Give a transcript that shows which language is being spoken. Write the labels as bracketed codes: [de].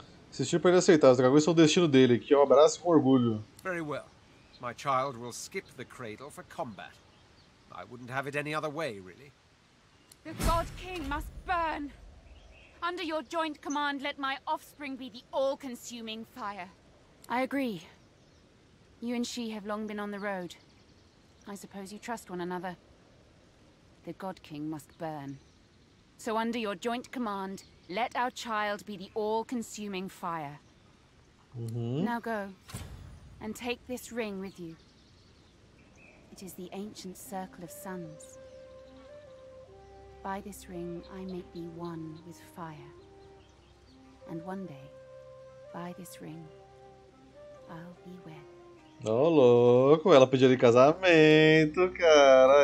[pt] Insistir para ele aceitar, os dragões são o destino dele, que é um abraço com orgulho. [en] Very well. My child will skip the cradle for combat. I wouldn't have it any other way, really. The God King must burn. Under your joint command, let my offspring be the all-consuming fire. I agree. You and she have long been on the road. I suppose you trust one another. The God King must burn. So under your joint command, let our child be the all-consuming fire. Uhum. Now go and take this ring with you. It is the ancient circle of suns. By this ring, I make thee one with fire. And one day, by this ring, I'll be wed. [pt] Ô, oh, louco, ela pediu ele em casamento, cara.